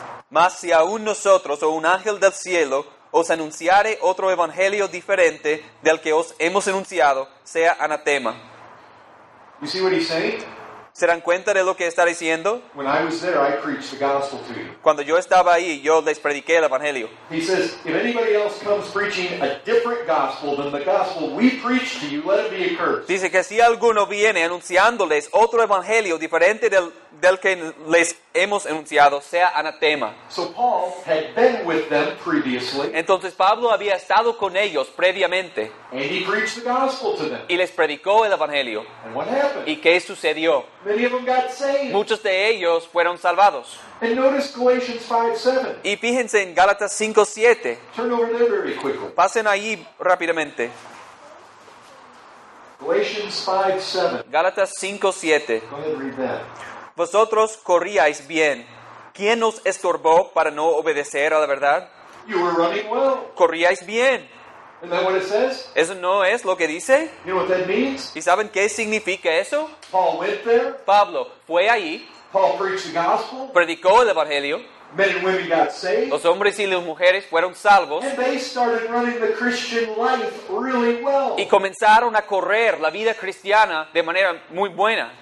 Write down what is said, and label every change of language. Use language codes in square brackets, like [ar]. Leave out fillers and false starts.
[es] Mas si aún nosotros o un ángel del cielo os anunciare otro evangelio diferente del que os hemos anunciado, sea anatema. [en] You see what he's saying? [es] ¿Se dan cuenta de lo que está diciendo? [en] When I was there, I preached the gospel to you. [es] Cuando yo estaba ahí, yo les prediqué el evangelio. [en] He says, if anybody else comes preaching a different gospel than the gospel we preach to you, let it be accursed. [es] Dice que si alguno viene anunciándoles otro evangelio diferente del que les hemos enunciado sea anatema. [en] So Paul had been with them previously. [es] Entonces Pablo había estado con ellos previamente. [en] And he preached the gospel to them. [es] Y les predicó el evangelio. [en] And what happened? [es] ¿Y qué sucedió? [en] Many of them got saved. [es] Muchos de ellos fueron salvados. [en] And notice Galatians 5:7. [es] Y fíjense en Gálatas 5:7. [en] Turn over there very quickly. [es] Pasen ahí rápidamente. [en] Galatians 5:7. Go ahead and read that. [es] Vosotros corríais bien. ¿Quién os estorbó para no obedecer a la verdad? [en] You were running well. [es] Corríais bien. [en] Isn't that what it says? [es] ¿Eso no es lo que dice? [en] You know what that means? [es] ¿Y saben qué significa eso? [en] Paul went there. [es] Pablo fue allí. [en] Paul preached the gospel. [es] Predicó el evangelio. [en] Men and women got saved. [es] Los hombres y las mujeres fueron salvos. [en] And they started running the Christian life really well. [es] Y comenzaron a correr la vida cristiana de manera muy buena.